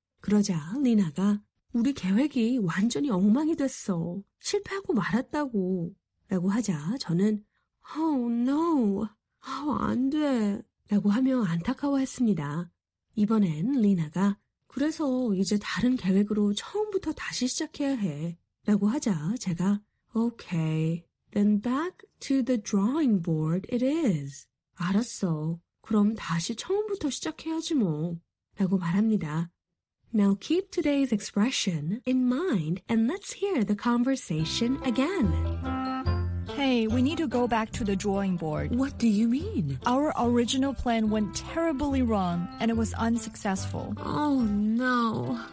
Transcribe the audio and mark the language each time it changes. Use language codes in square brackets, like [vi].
[ko] 그러자 리나가 우리 계획이 완전히 엉망이 됐어. 실패하고 말았다고. 라고 하자 저는 [en] Oh no, oh, [ko] 안 돼. 라고 하며 안타까워했습니다. 이번엔 리나가 그래서 이제 다른 계획으로 처음부터 다시 시작해야 해. 라고 하자 제가 [en] Okay, then back to the drawing board it is. [ko] 알았어. 그럼 다시 처음부터 시작해야지 뭐. 라고 말합니다. [en] Now keep today's expression in mind and let's hear the conversation again. Hey, we need to go back to the drawing board. What do you mean? Our original plan went terribly wrong, and it was unsuccessful. Oh, no.